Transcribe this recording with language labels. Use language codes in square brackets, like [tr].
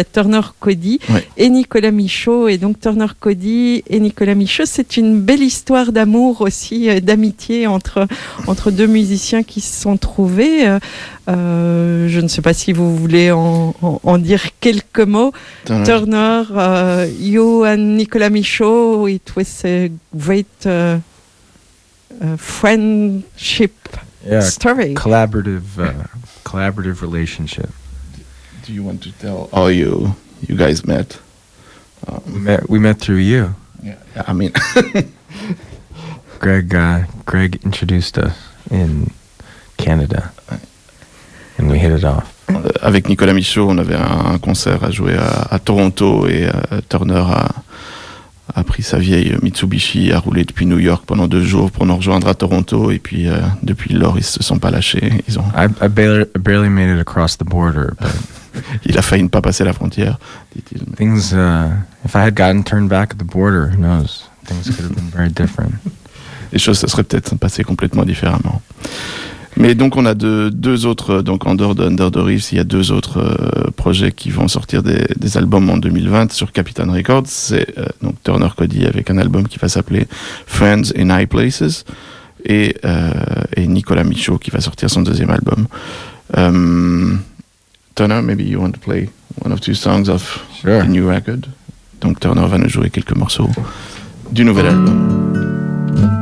[fr] Il y a Turner Cody, ouais, et Nicolas Michaud. Et donc Turner Cody et Nicolas Michaud, c'est une belle histoire d'amour aussi, d'amitié entre deux musiciens qui se sont trouvés. Je ne sais pas si vous voulez en dire quelques mots. [en] Turner, you and Nicolas Michaud, it was a great friendship, yeah, story. Collaborative relationship. Do you want to tell how you guys met? We met through you. Yeah, I mean, Greg introduced us in Canada. And we hit it off. [fr] Avec Nicolas Michaud, on avait un concert à jouer à Toronto et Turner a pris sa vieille Mitsubishi, a roulé depuis New York pendant deux jours pour nous rejoindre à Toronto. Et puis depuis lors, ils se sont pas lâchés. Ils ont. [en] I barely made it across the border. But [fr] il a failli ne pas passer la frontière, dit-il. [en] Things, if I had gotten turned back at the border, who knows? Things could have been very different. [fr] Les choses se seraient peut-être passées complètement différemment. Mais donc on a deux autres, donc en dehors d'Under the Waves, il y a deux autres projets qui vont sortir des albums en 2020 sur Capitan Records. C'est donc Turner Cody avec un album qui va s'appeler Friends in High Places et Nicolas Michaud qui va sortir son deuxième album. [en] Turner, maybe you want to play one of two songs of sure. The new record. [fr] Donc Turner va nous jouer quelques morceaux du nouvel album.